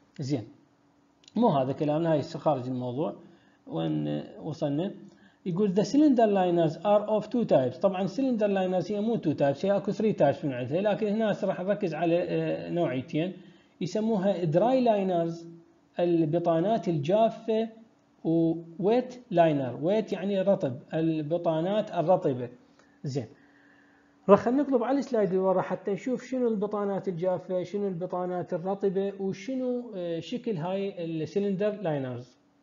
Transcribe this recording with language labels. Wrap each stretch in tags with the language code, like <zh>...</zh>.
<ar>زين، مو هذا كلامنا، هاي خارج الموضوع وين وصلنا.</ar> <en>يقول the cylinder liners are of two types.</en> <ar>طبعا cylinder liners هي مو</ar> <en>two types،</en> <ar>هي اكو</ar> <en>three types</en> <ar>من عندها، لكن هنا راح نركز على نوعيتين يسموها</ar> <en>dry liners</en> <ar>البطانات الجافة و</ar> <en>wet liner.</en> <ar>wet يعني رطب، البطانات الرطبة. زين، راح نقلب على السلايد اللي ورا حتى نشوف شنو البطانات الجافة، شنو البطانات الرطبة، وشنو شكل هاي السيلندر لاينرز.</ar>